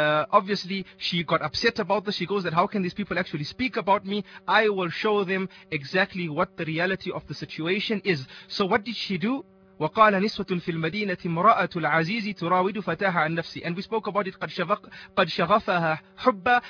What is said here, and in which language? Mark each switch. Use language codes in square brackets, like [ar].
[en] Obviously she got upset about this. She goes that, how can these people actually speak about me? I will show them exactly what the reality of the situation is. So what did she do? [ar] وقال نسوة في المدينة امرأة العزيز تراود فتاها عن نفسي. [en] And we spoke about it, [ar] قد شغفها حبا.